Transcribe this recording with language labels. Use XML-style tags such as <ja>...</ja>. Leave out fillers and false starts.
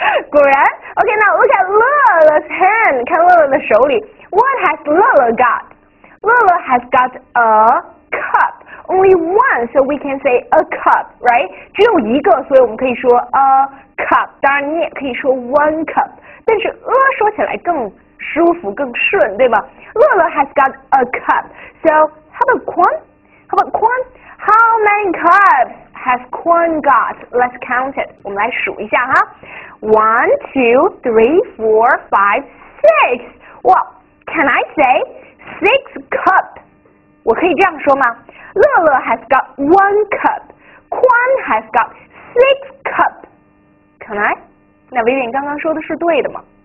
<zh>果然，</zh> <en>OK，那 look at 乐乐 's hand，</en> <zh>看乐乐的手里，</zh> <en>What has 乐乐 got？乐乐 has got a cup，only one，so we can say a cup，right？</en> <zh>只有一个，所以我们可以说</zh> <en>a cup。</en> <zh>当然，你也可以说</zh> <en>one cup，</en> <zh>但是说起来更舒服更顺，对吧？</zh> <en>乐乐 has got a cup. So how about Quan? How about Quan? How many cups has Quan got? Let's count it.</en> <zh>我们来数一下哈。</zh> <en>One, two, three, four, five, six. Well, can I say six cup?</en> <zh>我可以这样说吗？</zh> <en>乐乐 has got one cup. Quan has got six cup. Can I?</en> <zh>那维远刚刚说的是对的吗？</zh>